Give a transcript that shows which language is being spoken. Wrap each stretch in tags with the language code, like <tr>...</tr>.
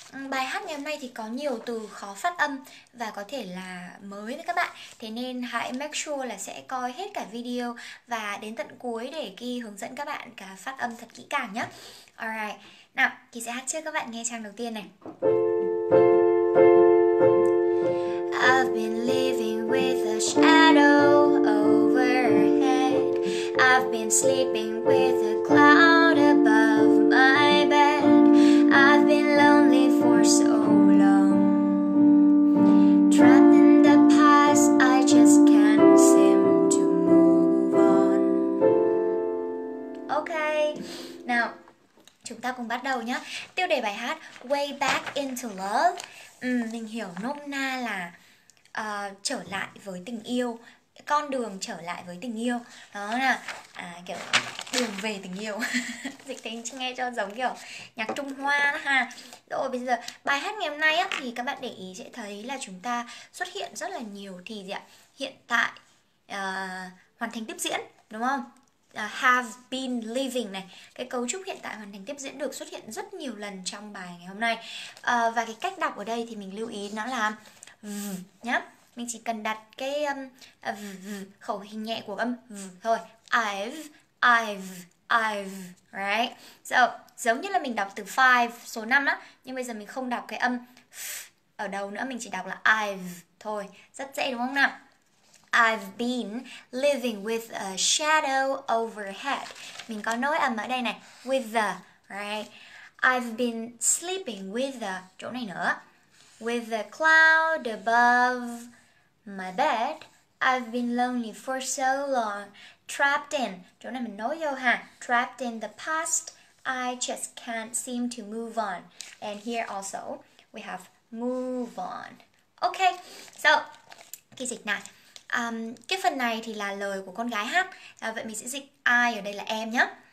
<vi>Bài hát ngày hôm nay thì có nhiều từ khó phát âm và có thể là mới với các bạn. Thế nên hãy</vi> <en>make sure</en> <vi>là sẽ coi hết cả video và đến tận cuối để Ki hướng dẫn các bạn cả phát âm thật kỹ càng nhé. Alright, nào, Ki sẽ hát trước các bạn nghe trang đầu tiên này.</vi> <en>I've been living with a shadow overhead. I've been sleeping with a cloud above my bed. I've been lonely for so long. Trapped in the past, I just can't seem to move on.</en> <vi>Okay, now, chúng ta cùng bắt đầu nhé. Tiêu đề bài hát Way Back Into Love. Mình hiểu nôm na là trở lại với tình yêu, con đường trở lại với tình yêu đó là kiểu đường về tình yêu. Dịch tính nghe cho giống kiểu nhạc Trung Hoa ha. Rồi bây giờ bài hát ngày hôm nay á, thì các bạn để ý sẽ thấy là chúng ta xuất hiện rất là nhiều thì gì ạ, hiện tại, hoàn thành tiếp diễn đúng không?</vi> <en>Have been living</en> <vi>này, cái cấu trúc hiện tại hoàn thành tiếp diễn được xuất hiện rất nhiều lần trong bài ngày hôm nay. Và cái cách đọc ở đây thì mình lưu ý nó là nhá, mình chỉ cần đặt cái khẩu hình nhẹ của âm thôi.</vi> <en>I've, right? So,</en> <vi>giống như là mình đọc từ 5, số 5 á, nhưng bây giờ mình không đọc cái âm ở đầu nữa, mình chỉ đọc là I've thôi. Rất dễ đúng không nào?</vi> <en>I've been living with a shadow overhead.</en> <vi>Mình có nối âm ở đây này,</vi> <en>with the, right? I've been sleeping with the,</en> <vi>chỗ này nữa.</vi> <en>With a cloud above my bed, I've been lonely for so long. Trapped in,</en> <vi>chỗ này mình nói vô ha.</vi> <en>Trapped in the past, I just can't seem to move on. And here also, we have move on.</en> <vi>Okay, so, cái dịch này. Cái phần này thì là lời của con gái hát. Vậy mình sẽ dịch I ở đây là em nhé.</vi>